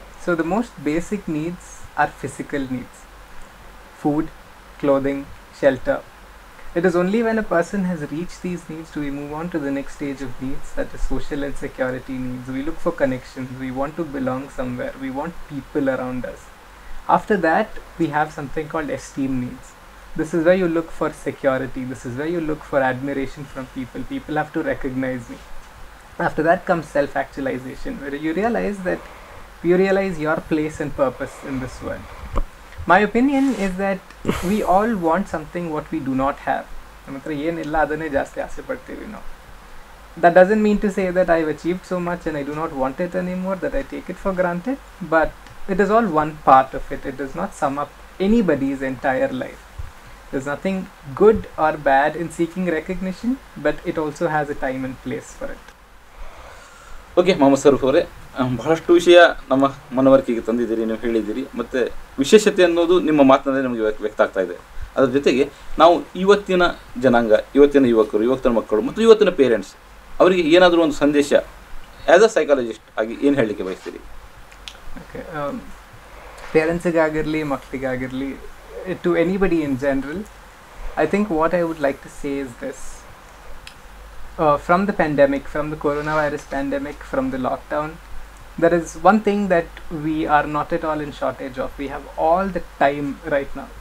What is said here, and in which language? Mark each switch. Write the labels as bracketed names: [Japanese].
[English] So the most basic needs are physical needs food clothing shelter. It is only when a person has reach these needs to we move on to the next stage of needs that is social and security needs. We look for connections we want to belong somewhere we want people around us. After that we have something called esteem needs. This is where you look for security. This is where you look for admiration from people. People have to recognize me. After that comes self-actualization, where you realize that you realize your place and purpose in this world. My opinion is that we all want something what we do not have. [Kannada] Matra yen illa adane jaasti aase padtevi [English] now. That doesn't mean to say that I've achieved so much and I do not want it anymore, that I take it for granted. But it is all one part of it. It does not sum up anybody's entire life. There's nothing good or bad in seeking recognition, but it also has a time and place for it. [Kannada] Okay, Mama Saruf avare, ಬಹಳಷ್ಟು ವಿಷಯ ನಮ್ಮ ಮನವರಿಕೆಗೆ ತಂದಿದ್ದೀರಿ, ನೀವು ಹೇಳಿದ್ದೀರಿ, ಮತ್ತು ವಿಶೇಷತೆ ಅನ್ನೋದು ನಿಮ್ಮ ಮಾತಿನಲ್ಲೇ ನಮಗೆ ವ್ಯಕ್ತ ಆಗ್ತಾ ಇದೆ. ಅದರ ಜೊತೆಗೆ ನಾವು ಇವತ್ತಿನ ಜನಾಂಗ, ಇವತ್ತಿನ ಯುವಕರು, ಇವತ್ತಿನ ಮಕ್ಕಳು ಮತ್ತು ಇವತ್ತಿನ ಪೇರೆಂಟ್ಸ್ ಅವರಿಗೆ ಏನಾದರೂ ಒಂದು ಸಂದೇಶ [English] as a psychologist [Kannada] ಆಗಿ ಏನು ಹೇಳಲಿಕ್ಕೆ ಬಯಸ್ತೀರಿ? [English] okay, [Kannada] ಪೇರೆಂಟ್ಸಿಗಾಗಿರಲಿ ಮಕ್ಕಳಿಗಾಗಿರಲಿ [English] To anybody in general, I think what I would like to say is this. From the pandemic, from the coronavirus pandemic, from the lockdown, there is one thing that we are not at all in shortage of. We have all the time right now.